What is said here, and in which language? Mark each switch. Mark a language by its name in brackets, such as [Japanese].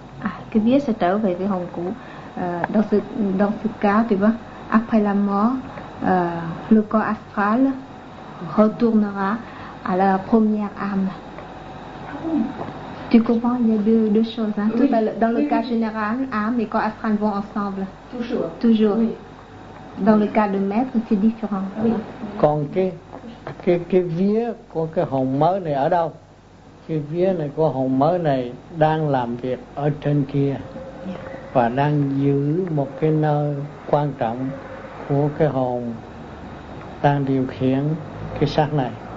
[Vietnamese] Cái vía sẽ trở về với hồn cũ. [French] Dans ce cas, tu vois, après la mort, le corps astral retournera à la première âme. Tu comprends? Il y a deux choses. Hein? Oui. Dans le cas général, âme et corps astral vont ensemble. Toujours. Toujours. Oui. Dans le cas de maître, c'est différent. Oui. [Vietnamese] Còn cái vía của cái hồn mới này ở đâu? Cái vía này của hồn mới này đang làm việc ở trên kia và đang giữ một cái nơi quan trọng của cái hồn đang điều khiển cái xác này.